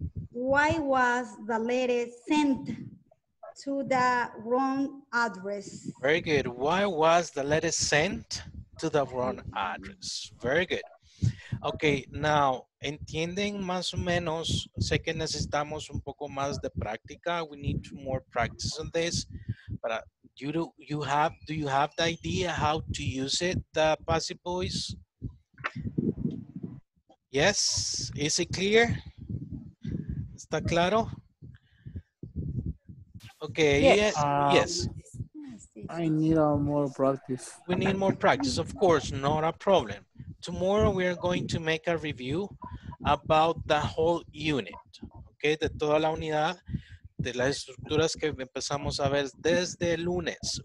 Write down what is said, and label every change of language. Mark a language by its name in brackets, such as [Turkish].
[English] Why was the letter sent to the wrong address? Very good. Why was the letter sent to the wrong address? Very good. Okay, now, [Spanish] entienden más o menos, sé que necesitamos un poco más de práctica. [English] We need more practice on this. But do you have the idea how to use it, the passive voice? Yes, is it clear? [Spanish] ¿Está claro? [English] Okay, yes. I need more practice. We need more practice, of course, not a problem. Tomorrow we are going to make a review about the whole unit, okay? [Spanish] De toda la unidad, de las estructuras que empezamos a ver desde el lunes.